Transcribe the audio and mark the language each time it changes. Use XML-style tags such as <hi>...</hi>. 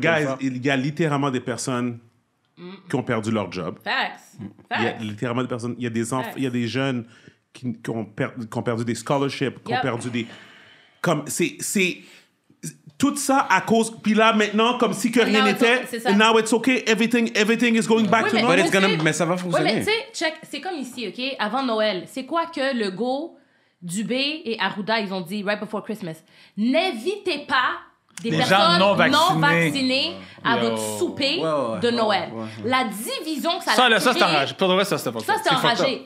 <fr>Guys, il y a littéralement des personnes qui ont perdu leur job.</fr> <en>Facts.</en> <fr>Il y a littéralement des personnes... Il y a des enfants, il y a des jeunes qui ont perdu des scholarships, qui ont perdu des... Comme, c'est... Tout ça à cause... Puis là, maintenant, comme si que rien n'était... Okay,</fr> <en>now it's okay, everything is going back to normal.</en> <fr>Mais ça va fonctionner. Ouais, mais tu sais, check, c'est comme ici, OK? Avant Noël, c'est quoi que Legault, Dubé et Arruda, ils ont dit right before Christmas? N'invitez pas des personnes non vaccinées à votre souper de Noël. La division que ça a créé... Ça, c'est enragé. Pour le reste, ça, c'est enragé.</fr>